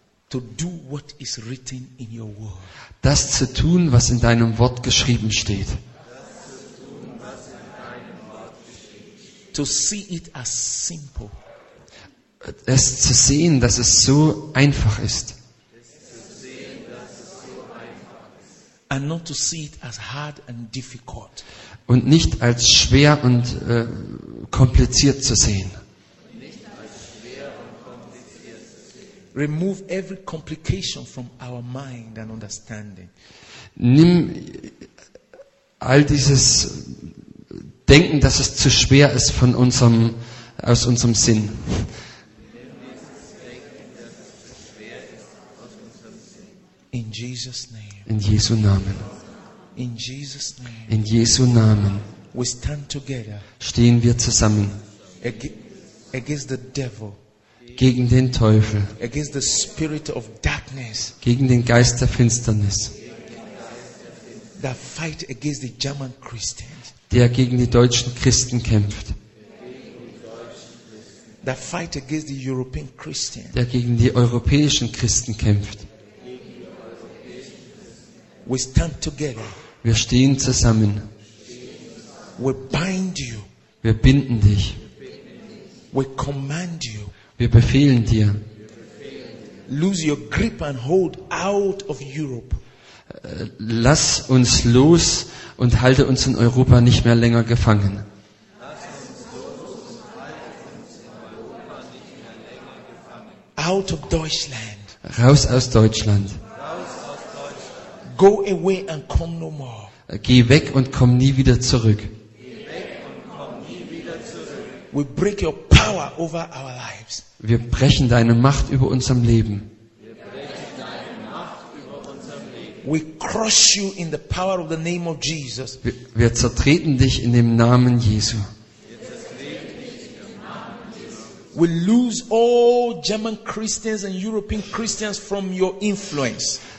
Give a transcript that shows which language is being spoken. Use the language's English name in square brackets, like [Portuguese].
[English] To do what is written in your word. [German] Das zu tun, was in deinem Wort geschrieben steht. [English] To see it as simple. [German] Es zu sehen, dass es so einfach ist. [English] And not to see it as hard and difficult. [German] Und nicht als schwer und kompliziert zu sehen. [English] Remove every complication from our mind and understanding. [German] Nimm all dieses Denken, dass es zu schwer ist von unserem, aus unserem Sinn. [English] In Jesus' name. [German] In Jesu Namen. [English] In Jesus' name. [German] In Jesu Namen. [English] We stand together. [German] Stehen wir zusammen. [English] Against the devil. [German] Gegen den Teufel. [English] Against the spirit of darkness. [German] Gegen den Geist der Finsternis. [English] That fight against the German Christians. [German] Der gegen die deutschen Christen kämpft. [English] That fight against the European Christians. [German] Der gegen die europäischen Christen kämpft. [English] We stand together. [German] Wir stehen zusammen. [English] We bind you. [German] Wir binden dich. [English] We command you. [German] Wir befehlen dir. [English] Lose your grip and hold out of Europe. [German] Lass uns los und halte uns in Europa nicht mehr länger gefangen. [English] Out of Deutschland. [German] Raus aus Deutschland. [English] Go away and come no more. [German] Geh weg und komm nie wieder zurück. [English] We break your power over our lives. [German] Wir brechen deine Macht über unserem Leben. [English] We crush you in the power of the name of Jesus. [German] Wir zertreten dich in dem Namen Jesu. [English] We lose all German Christians and European Christians from your influence.